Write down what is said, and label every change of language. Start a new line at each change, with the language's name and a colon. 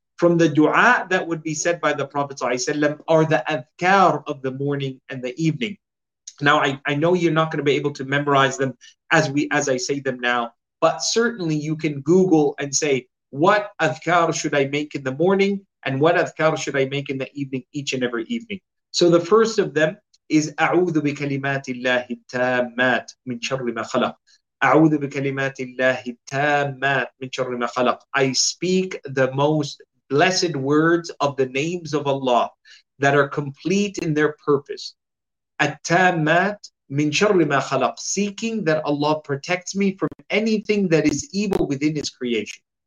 English: From the dua that would be said by the Prophet ﷺ are the adhkar of the morning and the evening. Now, I know you're not going to be able to memorize them as I say them now, but certainly you can Google and say, what adhkar should I make in the morning and what adhkar should I make in the evening each and every evening? So the first of them is
Arabic: أعوذ بكلمات الله التامات من شر ما خلق. أعوذ بكلمات الله التامات من شر ما خلق.
English: I speak the most blessed words of the names of Allah that are complete in their purpose.
Arabic: التامات من شر ما خلق.
English: Seeking that Allah protects me from anything that is evil within His creation.